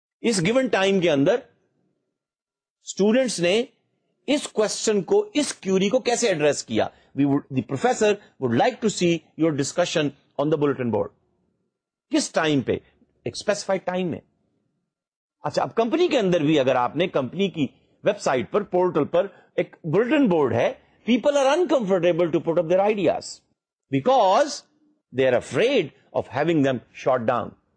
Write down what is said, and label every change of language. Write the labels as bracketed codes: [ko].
[ur] اس given time کے اندر students نے اس question کو اس کیوری کو کیسے ایڈریس کیا. [en] We would the professor would like to see your discussion on the bulletin board. [ur] کس ٹائم پہ؟ ایک اسپیسیفائڈ ٹائم میں. اچھا اب کمپنی کے اندر بھی اگر آپ نے کمپنی کی ویب سائٹ پر پورٹل پر ایک بلٹن بورڈ ہے, [en] People are uncomfortable to put up their ideas because they are afraid of having them shot down.